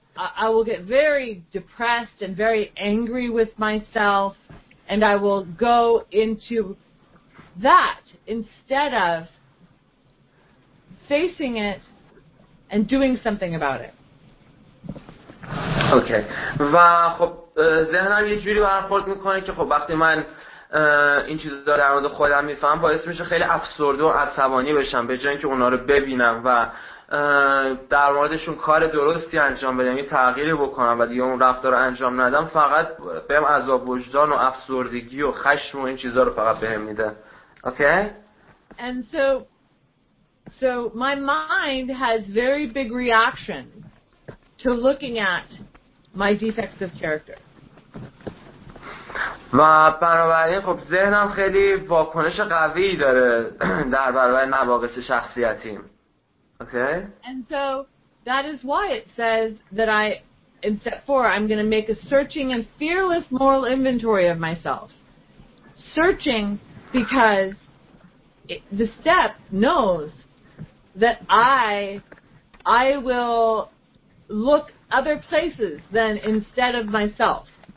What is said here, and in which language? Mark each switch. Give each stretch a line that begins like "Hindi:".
English: I will get very depressed and very angry with myself, and I will go into that instead of facing it and doing something about it. Okay.
Persian: و خب ذهنم یه جوری برخورد میکنه که خب وقتی من این چیزا رو در مورد خودم میفهمم باعث میشه خیلی افسرده و عصبانی بشم به جای اینکه اونا رو ببینم و در موردشون کار درستی انجام بدم، یه تغییری بکنم و دیگه اون رفتار رو انجام ندم، فقط بهم عذاب وجدان و افسردگی و خشم و این چیزا رو فقط بهم میده. اوکی؟
English: And so my mind has very big reaction to looking at my defects of character.
Persian: و بنابراین خب ذهنم خیلی واکنش قوی داره در برابر نواقص شخصیتیم.
English: Okay. And so that is why it says that I, in step four, I'm going to make a searching and fearless moral inventory of myself. Searching because the step knows that I will look other places than instead of myself.